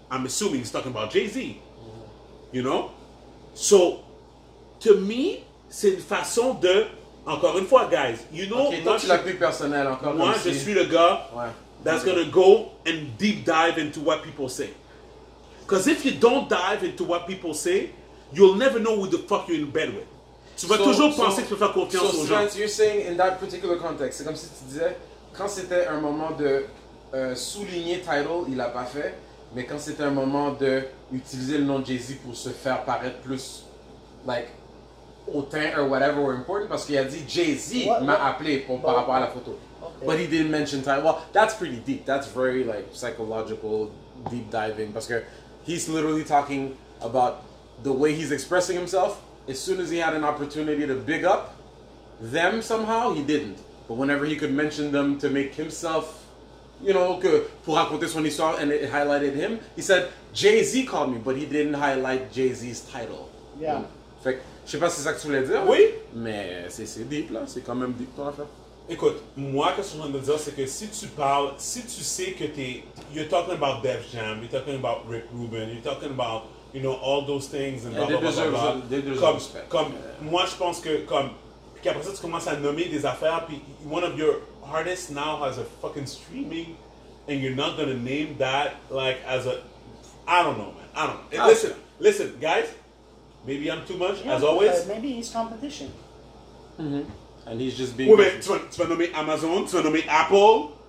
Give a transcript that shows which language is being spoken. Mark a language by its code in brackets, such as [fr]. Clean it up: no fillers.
[en] I'm assuming he's talking about Jay-Z. You know? So, to me, [fr] c'est une façon de... Encore une fois, [en] guys, you know... [fr] Okay, toi, tu l'as plus personnel encore. Moi, je suis le gars [en] that's going to go and deep dive into what people say. Because if you don't dive into what people say, you'll never know who the fuck you're in bed with. [fr] Tu vas toujours penser que tu peux faire confiance aux gens. [en] So, you're saying in that particular context, [fr] c'est comme si tu disais... Quand c'était un moment de souligner title, il l'a pas fait. Mais quand c'était un moment de utiliser le nom Jay-Z pour se faire paraître plus [en] like [fr] hautain [en] or whatever or important, [fr] parce qu'il a dit Jay-Z m'a appelé pour, par rapport à la photo. [en] Okay. But he didn't mention title. Well, that's pretty deep. That's very like psychological deep diving, [fr] parce que [en] he's literally talking about the way he's expressing himself. As soon as he had an opportunity to big up them somehow, he didn't. But whenever he could mention them to make himself, you know, [fr] que pour raconter son histoire, [en] and it highlighted him, he said, Jay-Z called me, but he didn't highlight Jay-Z's title. Yeah. [fr] Fait que, je sais pas si c'est ça que tu voulais dire. Oui. Mais c'est deep, là. C'est quand même deep, ton affaire. Écoute, moi, ce que je voulais dire, c'est que si tu parles, si tu sais que t'es, [en] you're talking about Def Jam, you're talking about Rick Rubin, you're talking about, you know, all those things, and blah, blah, blah, blah, blah. They deserve respect. [fr] Comme, moi, je pense que, comme, puis après ça, tu commences à nommer des affaires, puis [en] one of your artists now has a fucking streaming, and you're not gonna name that, like, as a... I don't know, man. I don't know. Listen, listen, guys, maybe I'm too much, as always. Maybe he's competition. Mm-hmm. And he's just being... [fr] Oui, mais tu vas nommer Amazon, tu vas nommer Apple.